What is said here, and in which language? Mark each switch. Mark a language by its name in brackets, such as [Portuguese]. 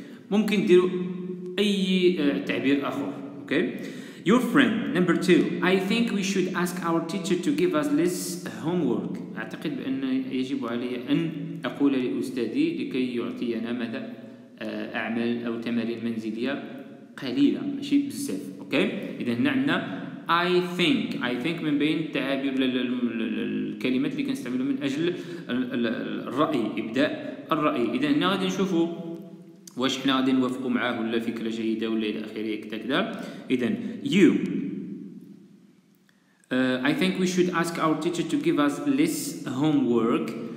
[Arabic] ممكن تديروا أي تعبير آخر. [English] Okay. Your friend number two. I think we should ask our teacher to give us less homework. [Arabic] أعتقد بأن يجب علي أن أقول لأستاذي لكي يعطينا ماذا أعمل أو تمارين منزلية قليلة ماشي بزاف. [English] Okay. [Arabic] إذا نعنا I think من بين تعابير الكلمات اللي كنستعملوا من أجل الرأي إبداء الرأي. إذا هنا غادي نشوفوا واش حنا غادي نوافقوا معاه ولا فكرة جيدة ولا إلى آخره كذا. إذا [English] you I think we should ask our teacher to give us less homework.